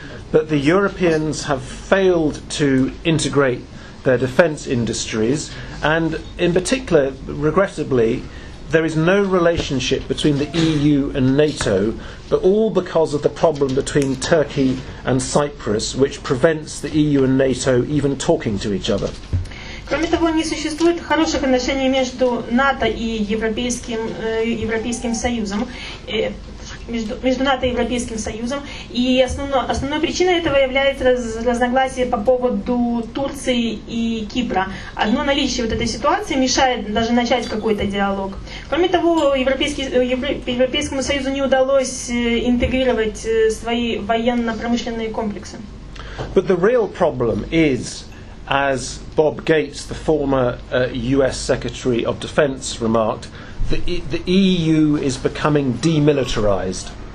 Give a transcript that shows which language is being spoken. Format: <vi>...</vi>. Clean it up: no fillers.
<en>But the Europeans have failed to integrate their defence industries, and in particular, regrettably, there is no relationship between the EU and NATO, but all because of the problem between Turkey and Cyprus, which prevents the EU and NATO even talking to each other.</en> <ru>Кроме того, не существует хороших отношений между НАТО и Европейским Союзом. Между НАТО и Европейским Союзом. И основной причиной этого является разногласие по поводу Турции и Кипра. Одно наличие вот этой ситуации мешает даже начать какой-то диалог. Кроме того, Европейскому Союзу не удалось интегрировать свои военно-промышленные комплексы.</ru> <en>But the real problem is, as Bob Gates, the former US Secretary of Defense, remarked, the EU is becoming demilitarized.</en>